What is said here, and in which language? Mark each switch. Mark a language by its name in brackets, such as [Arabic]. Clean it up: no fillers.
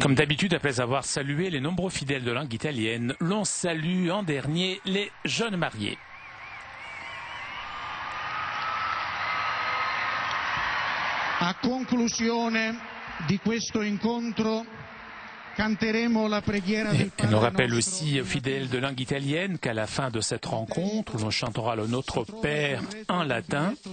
[French] Comme d'habitude, après avoir salué les nombreux fidèles de langue italienne, l'on salue en dernier les jeunes mariés. [Italian] A conclusione di questo incontro, canteremo la preghiera del Padre. [French] Et on rappelle aussi aux fidèles de langue italienne qu'à la fin de cette rencontre, l'on chantera le Notre Père en latin.